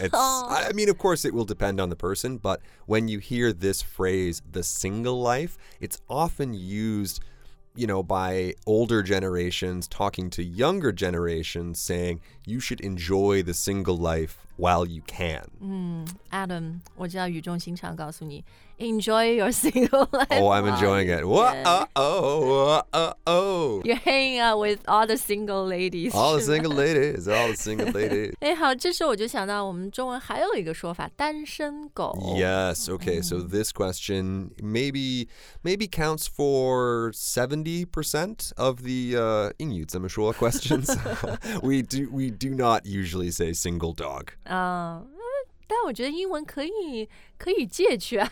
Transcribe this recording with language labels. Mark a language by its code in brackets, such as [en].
[en] It's, I mean, of course, it will depend on the person, but when you hear this phrase, the single life, it's often used, you know, by older generations talking to younger generations saying, you should enjoy the single life while you can. [zh] Adam, 我知道语重心长告诉你 enjoy your single life. [en] Oh, I'm enjoying it. You're hanging out with all the single ladies. All the single ladies. [zh] 哎，好，这时候我就想到我们中文还有一个说法，单身狗。 [en] Yes, okay, so this question maybe counts for 70% of the 英语怎么说 questions. We do not usually say single dog. [zh] 但我觉得英文可以借去啊。